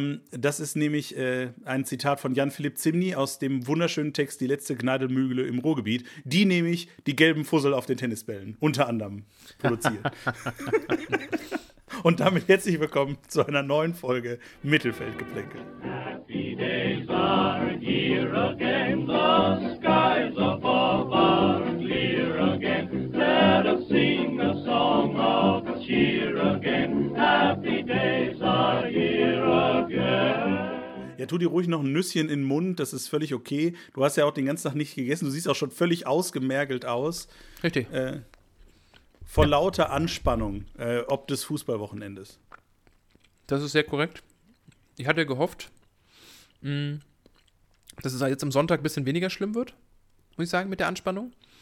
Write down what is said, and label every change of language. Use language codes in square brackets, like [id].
[de] Das ist nämlich ein Zitat von Jan-Philipp Zimny aus dem wunderschönen Text Die letzte Gneidelmühle im Ruhrgebiet, die nämlich die gelben Fussel auf den Tennisbällen unter anderem produziert. Und damit herzlich willkommen zu einer neuen Folge Mittelfeldgeplänkel. [en] Happy days are here again, the skies above are clear again. Let us sing a song of cheer again. Happy days are here again. [de] Ja, tu dir ruhig noch ein Nüsschen in den Mund, das ist völlig okay. Du hast ja auch den ganzen Tag nicht gegessen, du siehst auch schon völlig ausgemergelt aus. Richtig. Vor lauter Anspannung, ob des Fußballwochenendes. Das ist sehr korrekt. Ich hatte gehofft, dass es jetzt am Sonntag ein bisschen weniger schlimm wird, muss ich sagen, mit der Anspannung.